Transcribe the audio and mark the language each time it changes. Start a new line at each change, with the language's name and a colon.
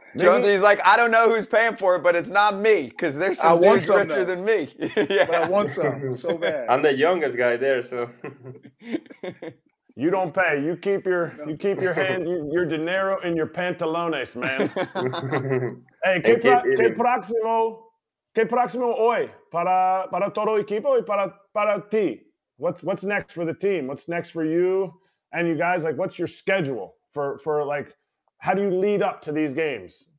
English: Jonesy's like, I don't know who's paying for it, but it's not me because there's some dudes richer though than me. Yeah. But I want some so bad. I'm the youngest guy there, so. You don't pay. You keep your hand, your
Spanish: dinero
English: in your
Spanish: pantalones,
English: man.
Spanish: Hey, que próximo hoy para todo equipo y para ti.
English: What's next for the team? What's next for you and you guys? Like, what's your schedule for like, how do you lead up to these games?